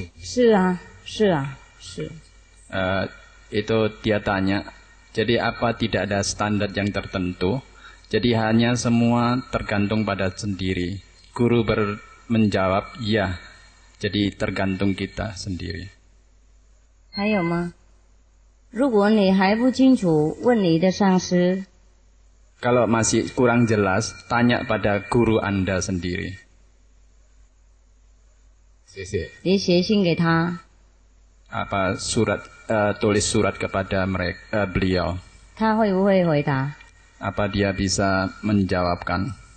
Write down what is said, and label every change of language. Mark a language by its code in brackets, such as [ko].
[zh] 好，就是自己念，以本身的感应。是啊，是啊，是。 [id] Itu dia tanya. Jadi apa tidak ada standar yang tertentu? Jadi hanya semua tergantung pada sendiri. Guru menjawab, ya. Jadi tergantung kita sendiri. [zh] 还有吗? 如果你还不清楚问你的上司, [id] kalau masih kurang jelas, tanya pada guru Anda sendiri. [zh] 谢谢。你写信给他。 [id] apa surat, tulis surat kepada mereka, beliau. [zh] 他会不会回答? [id] Apa dia bisa menjawabkan?